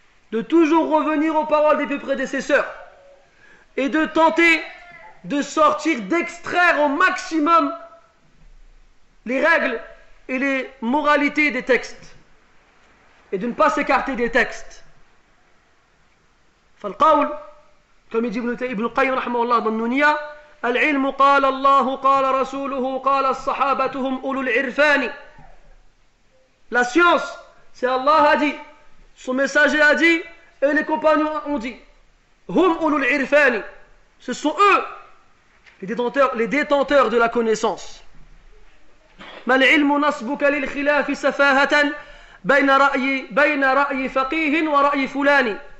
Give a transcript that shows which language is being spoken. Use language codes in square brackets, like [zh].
[fr] De toujours revenir aux paroles des plus prédécesseurs et de tenter de sortir, d'extraire au maximum les règles et les moralités des textes et de ne pas s'écarter des textes. [ar] فالقول كما يجيب ابن القيم رحمه الله ضمن نونية العلم قال الله قال رسوله قال الصحابة هم أولو العرفان. [fr] La science, c'est Allah a dit, son messager a dit, et les compagnons ont dit, [ar] هم أولو العرفان. [fr] Ce sont eux, les détenteurs de la connaissance. [ar] ما العلم نصبك للخلاف سفاهة بين رأي فقيه ورأي فلان.